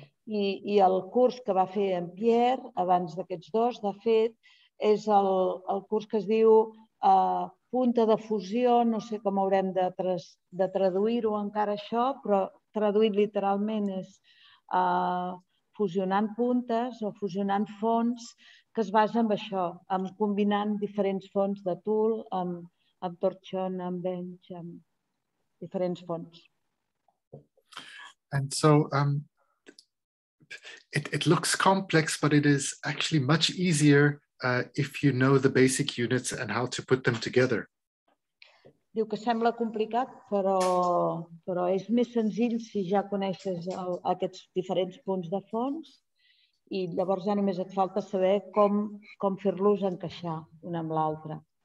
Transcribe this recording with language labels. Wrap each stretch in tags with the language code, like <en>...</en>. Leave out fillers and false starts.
<ca>I el curs que va fer en Pierre abans d'aquests dos, de fet, és el curs que es diu punta de fusió, no sé com haurem de traduir-ho encara això, però traduït literalment és fusionant puntes o fusionant fonts, que es basa en això, en combinant diferents fonts de tool, amb torxon, amb bench, amb diferents fonts.</ca> <en>And so it looks complex, but it is actually much easier if you know the basic units and how to put them together.</en> <ca>Diu que sembla complicat, però és més senzill si ja coneixes aquests diferents punts de fons i llavors ja només et falta saber com fer-los encaixar un amb l'altre.</ca>